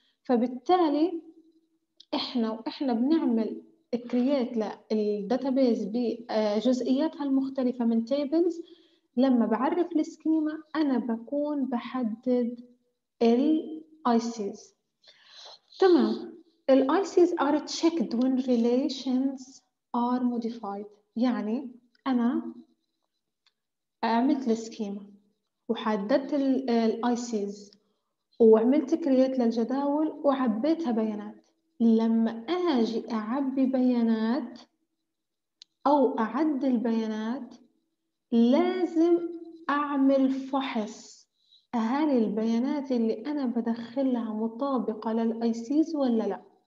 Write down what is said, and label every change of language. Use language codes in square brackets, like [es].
[ar] فبالتالي إحنا وإحنا بنعمل create للـ database بجزئياتها المختلفة من tables، لما بعرف الـ schema أنا بكون بحدد الـ ICs. تمام. [en] الـ ICs are checked when relations are modified. [ar] يعني أنا عملت الـ schema وحددت الـ ICs وعملت create للجداول وعبيتها بيانات. لما أجي أعبي بيانات أو أعدل بيانات، لازم أعمل فحص هل البيانات اللي أنا بدخلها مطابقة للآيسيز ولا لا.